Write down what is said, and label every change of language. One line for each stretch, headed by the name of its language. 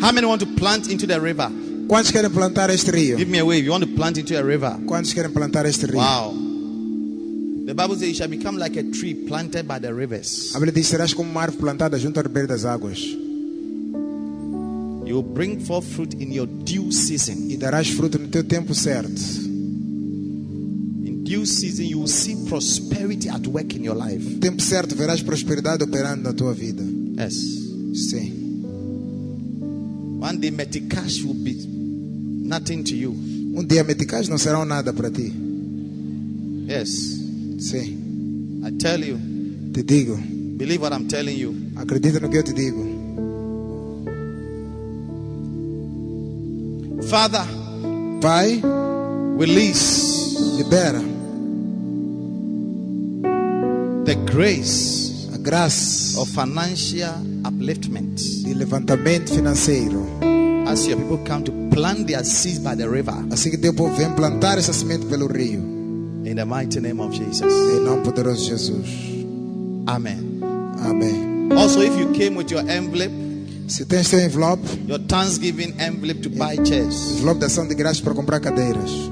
English: How many want to plant into the river?
Portuguese: Quantos querem plantar este rio?
English: Give me a wave. You want to plant into a river?
Portuguese: Quantos querem plantar este rio?
English: Wow. The Bible says you shall become like a tree planted by the rivers.
Portuguese: A Bíblia diz serás como uma árvore plantada junto à ribeira das águas.
English: You will bring forth fruit in your due season.
Portuguese: E darás fruto no teu tempo certo.
English: Due season, you will see prosperity at work in your life.
Portuguese: No tempo certo, verás prosperidade operando na tua vida.
English: Yes.
Portuguese: Sim.
English: One day, meticash will be nothing to you.
Portuguese: Um dia, meticash não será nada para ti.
English: Yes.
Portuguese: Sim.
English: I tell you.
Portuguese: Te digo.
English: Believe what I'm telling you.
Portuguese: Acredita no que eu te digo.
English: Father.
Portuguese: Pai.
English: Release.
Portuguese: Libera.
English: The grace,
Portuguese: a graça,
English: of financial upliftment,
Portuguese: de levantamento financeiro,
English: as your people come to plant their seeds by the river,
Portuguese: assim que teu povo vem plantar essa semente pelo rio,
English: in the mighty name of Jesus,
Portuguese: em nome poderoso de Jesus,
English: amen, amen. Also, if you came with your envelope,
Portuguese: se tens teu envelope,
English: your Thanksgiving envelope to buy chairs,
Portuguese: envelope da ação de graças para comprar cadeiras,